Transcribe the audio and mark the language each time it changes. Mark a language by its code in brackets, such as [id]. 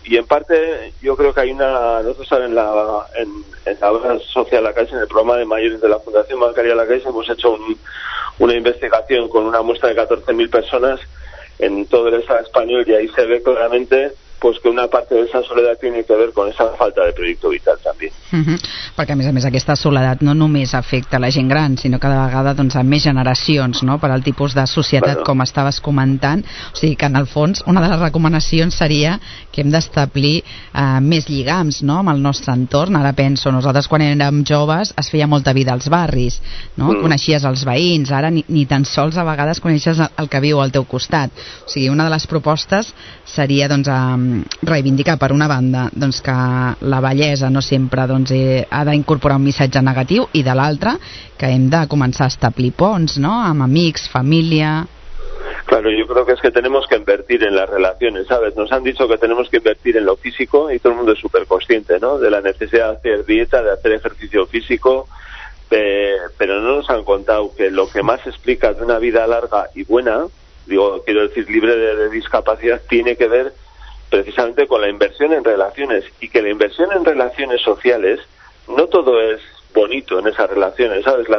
[es] Y en parte yo creo que hay una, nosotros saben, en la obra social La Caixa, en el programa de mayores de la Fundación Bancaria La Caixa, hemos hecho una investigación con una muestra de 14.000 personas en todo el Estado español, y ahí se ve claramente pues que una parte de esa soledad tiene que ver con esa falta de proyecto vital también. Uh-huh. [ca] Perquè a més aquesta soledat no només afecta la gent gran, sinó cada vegada doncs a més generacions, no? Per al tipus de societat, bueno, com estaves comentant, o sigui que en el fons una de les recomanacions seria que hem d'establir més lligams, no, amb el nostre entorn. Ara penso, nosaltres quan érem joves es feia molta vida als barris, no? Uh-huh. Coneixies els veïns, ara ni tan sols a vegades coneixes el que viu al teu costat. O sigui, una de les propostes seria doncs reivindicar, per una banda, doncs que la bellesa no sempre doncs ha d'incorporar un missatge negatiu, i de l'altra, que hem de començar a establir ponts, no?, amb amics, família. [es] Claro, yo creo que es que tenemos que invertir en las relaciones, ¿sabes? Nos han dicho que tenemos que invertir en lo físico, y todo el mundo es súper consciente, ¿no?, de la necesidad de hacer dieta, de hacer ejercicio físico, pero no nos han contado que lo que más explica de una vida larga y buena, digo, quiero decir, libre de discapacidad, tiene que ver precisamente con la inversión en relaciones, y que la inversión en relaciones sociales, no todo es bonito en esas relaciones, ¿sabes?